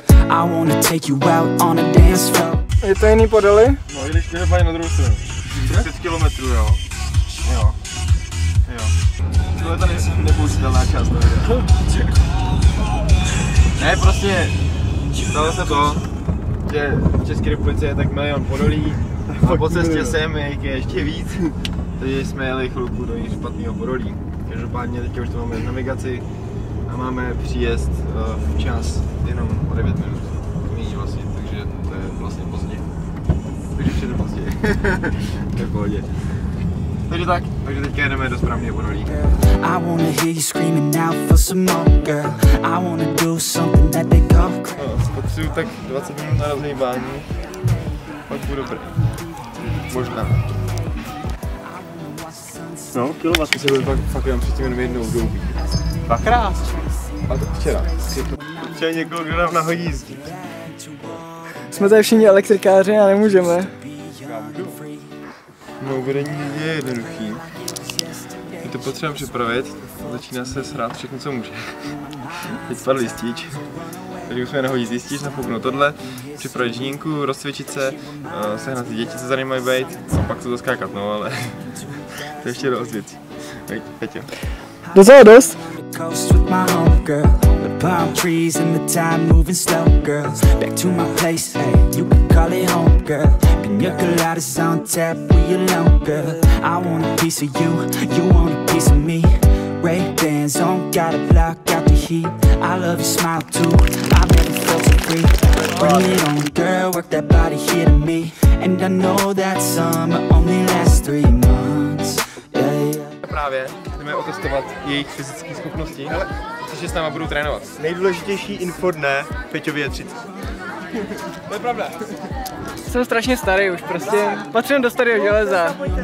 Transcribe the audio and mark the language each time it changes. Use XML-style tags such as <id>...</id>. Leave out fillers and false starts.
<en>I wanna take you out on a dance floor.</en> <cs>Je to jiný Podolí? No, když jdeme fajn na druhou stranu. 30 km, jo. Jo. Jo. Tohle tady je nepoužitelná část toho videa. Ne, prostě stalo se to, že v České republice je tak milion Podolí a po cestě sem je ještě víc. Takže jsme jeli chvilku do jiného špatného Podolí. Každopádně teďka už to máme v navigaci a máme příjezd včas jenom o 9 minut. Míň vlastně, takže to je vlastně pozdě. Takže všechno pozdě. To je v pohodě. Takže tak, takže teďka jedeme do správného Podolí.</cs> <en>I wanna hear you screaming out for some more, girl. I wanna do something that they go crazy.</en> <cs>Potřebuju tak 20 minut na rozhýbání. Pak budu dobrý. Možná. No, kilovat. Myslím, že byl fakt jenom předtím jenom jednou doubí. Dvakrát. A to včera. Včera někoho, kdo nám nahodí jízdí. Jsme tady všichni elektrikáři a nemůžeme. No, uvedení je jednoduchý. My to potřebujeme připravit. Začíná se srát všechno, co může. Teď spadl jistič. Takže musíme nahodit jistič, napouknout tohle, připravit žínku, rozcvičit se, sehnat ty děti, co za ní mají být, a pak se to skákat, no ale to ještě dost věcí. Hej, Peťo. Docela dost.</cs> <en>Coast with my home girl, the palm trees and the time moving slow girl, back to my place, hey, you can call it home girl, pina colada is on tap, we alone girl, I want a piece of you, you want a piece of me, Ray-Bans on, gotta block out the heat, I love your smile too, I've never felt so free, bring it on girl, work that body here to me, and I know that summer only lasts 3 months, yeah, yeah.</en> <cs>Jdeme otestovat jejich fyzické schopnosti, což je s náma budou trénovat. Nejdůležitější info dne, Peťovi je 30. To je pravda. Jsem strašně starý už, prostě patřím do starého železa.</cs>